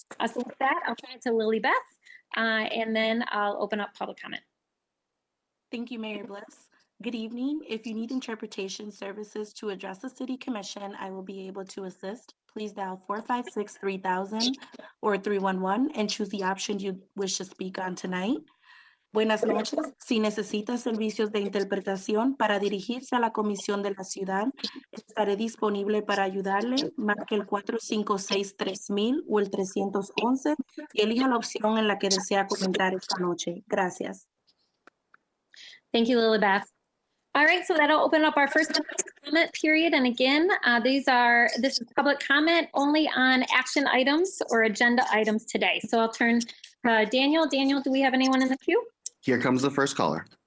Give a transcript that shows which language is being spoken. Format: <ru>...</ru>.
<en>So with that, I'll turn it to Lily Beth, and then I'll open up public comment. Thank you, Mayor Bliss. Good evening. If you need interpretation services to address the city commission, I will be able to assist. Please dial 456-3000 or 311 and choose the option you wish to speak on tonight.</en> <es>Buenas noches. Si necesita servicios de interpretación para dirigirse a la comisión de la ciudad, estaré disponible para ayudarle. Marque el 456-3000 o el 311 y elija la opción en la que desea comentar esta noche. Gracias.</es> <en>Thank you, Lily Beth. All right, so that'll open up our first comment period. And again, this is public comment only on action items or agenda items today. So I'll turn to Daniel. Daniel, do we have anyone in the queue? Here comes the first caller.</en>